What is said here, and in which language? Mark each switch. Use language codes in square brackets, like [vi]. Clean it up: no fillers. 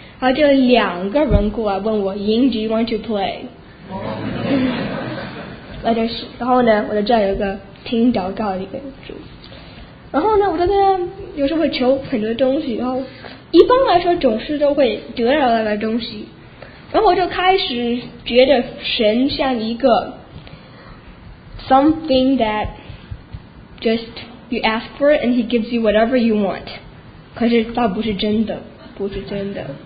[zh] 然后就两个人过来问我 Ying, do you want to play？然后呢我的这样有一个听祷告的一个主。然后呢，我在那边有时候会求很多东西，然后一般来说总是都会得到那个东西。 [en] 然后我就开始觉得神像一个 something that just you ask for it and he gives you whatever you want. [zh] 可是倒不是真的，不是真的。